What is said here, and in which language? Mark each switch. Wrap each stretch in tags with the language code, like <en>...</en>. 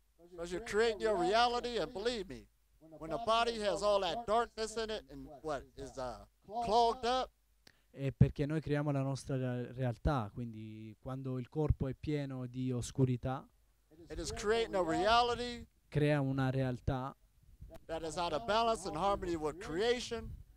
<en>Because you create your reality, and believe me, when the body has all that darkness in it and what is clogged up.</en> <it>E perché noi creiamo la nostra realtà, quindi quando il corpo è pieno di oscurità.</it> <en>It is creating a reality.</en> <it>Crea una realtà.</it> <en>That is out of balance and harmony with creation.</en>